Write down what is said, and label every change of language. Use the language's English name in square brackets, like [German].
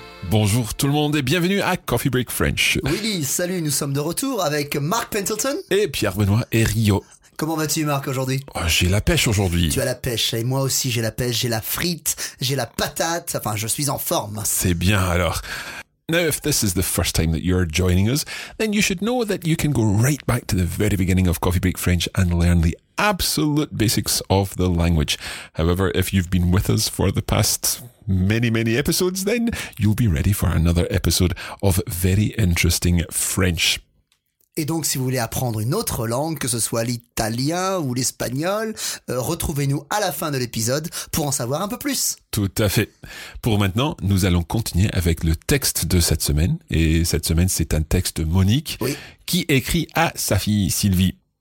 [French] Bonjour tout le monde et bienvenue à Coffee Break French. Willy, salut, nous sommes de retour avec Mark Pendleton et Pierre-Benoît Herriot. Comment vas-tu, Marc, aujourd'hui? Oh, j'ai la pêche aujourd'hui. Tu as la pêche, et moi aussi j'ai la pêche, j'ai la frite, j'ai la patate, enfin je suis en forme. C'est bien alors. [English] Now, if this is the first time that you're joining us, then you should know that you can go right back to the very beginning of Coffee Break French and learn the absolute basics of the language. However, if you've been with us for the past many, many episodes, then you'll be ready for another episode of very interesting French. [French] Et donc, si vous voulez apprendre une autre langue, que ce soit l'italien ou l'espagnol, retrouvez-nous à la fin de l'épisode pour en savoir un peu plus. Tout à fait. Pour maintenant, nous allons continuer avec le texte de cette semaine. Et cette semaine, c'est un texte de Monique qui écrit à sa fille Sylvie.